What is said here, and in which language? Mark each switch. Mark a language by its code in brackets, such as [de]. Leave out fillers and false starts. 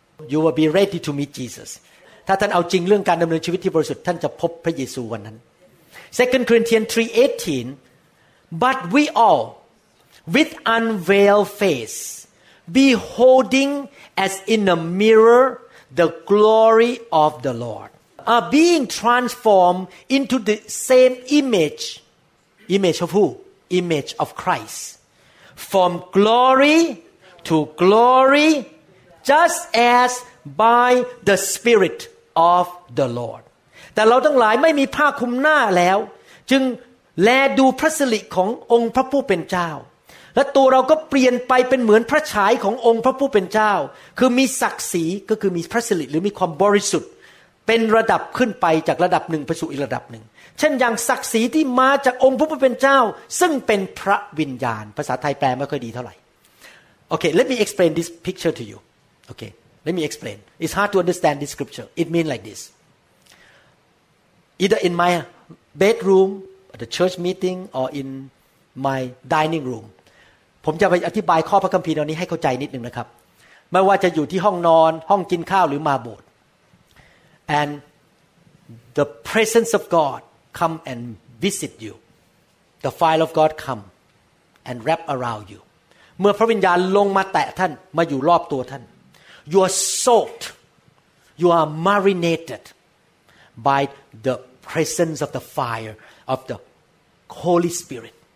[en] You will be ready to meet Jesus. [th] ถ้าท่านเอาจริงเรื่องการดำเนินชีวิตที่บริสุทธิ์ท่านจะพบพระเยซูวันนั้น [en] 2 Corinthians 3:18 But we all with unveiled face beholding as in a mirror the glory of the Lord. Are being transformed into the same image, image of who? Image of Christ, from glory to glory, just as by the Spirit of the Lord. [th] แต่เราทั้งหลายไม่มีผ้าคลุมหน้าแล้วจึงแลดูพระสิริขององค์พระผู้เป็นเจ้าและตัวเราก็เปลี่ยนไปเป็นเหมือนพระฉายขององค์พระผู้เป็นเจ้าคือมีศักดิ์ศรีก็คือมีพระสิริหรือมีความบริสุทธิ์เป็นระดับขึ้นไปจากระดับหนึ่งไปสู่อีกระดับหนึ่งเช่นอย่างศักดิ์ศรีที่มาจากองค์พระผู้เป็นเจ้าซึ่งเป็นพระวิญญาณภาษาไทยแปลไม่ค่อยดีเท่าไหร่โอเค [en] let me explain this picture to you okay let me explain it's hard to understand this scripture it means like this either in my bedroom at the church meeting or in my dining room [th] ผมจะไปอธิบายข้อพระคัมภีร์ตอนนี้ให้เข้าใจนิดนึงนะครับไม่ว่าจะอยู่ที่ห้องนอนห้องกินข้าวหรือมาโบสถ์ [en] And the presence of God come and visit you. The fire of God come and wrap around you. [th] เมื่อพระวิญญาณลงมาแตะท่านมาอยู่รอบตัวท่าน [en] You are soaked. You are marinated by the presence of the fire of the Holy Spirit.